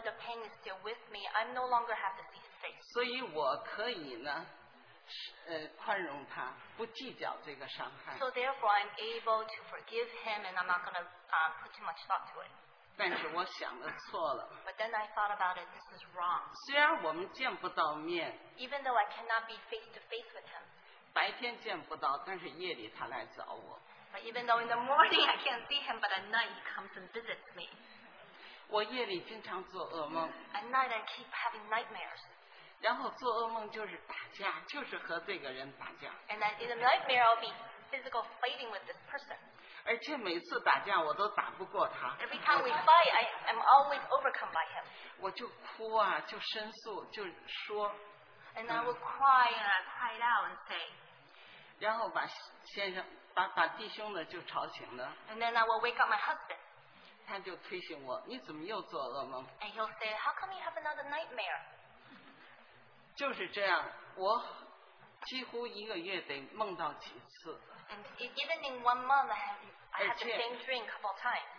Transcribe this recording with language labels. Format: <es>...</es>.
<en>the pain is still with me, I no longer have to see his face.</en> <zh>所以我可以呢，宽容他，不计较这个伤害。</zh> <en>So therefore, I'm able to forgive him, and I'm not going to put too much thought to it.</en> <zh>但是我想的错了。</zh> <en>But then I thought about it, this is wrong.</en> <zh>虽然我们见不到面，</zh> <en>Even though I cannot be face to face with him,</en> <zh>白天见不到， 但是夜里他来找我。</zh> <en>But even though in the morning I can't see him, but at night he comes and visits me.</en> <zh>我夜里经常做噩梦。</zh> <en>At night I keep having nightmares.</en> <zh>然后做噩梦就是打架, 就是和这个人打架。</zh> <en>And then in the nightmare I'll be physical fighting with this person.</en> <zh>而且每次打架,</zh> <en>Every time we fight, I am always overcome by him.</en> <zh>我就哭啊, 就申诉, 就说,</zh> <en>and I will cry and I cried out and say,</en> <zh>然后把先生, 把弟兄的就吵醒了,</zh> <en>and then I will wake up my husband.</en> <zh>他就推醒我, 你怎么又做噩梦?</zh> <en>And he'll say, how come you have another nightmare?</en> <zh>就是这样, 我几乎一个月得梦到几次。</zh> <en>And even in 1 month, I have the same dream a couple of times.</en>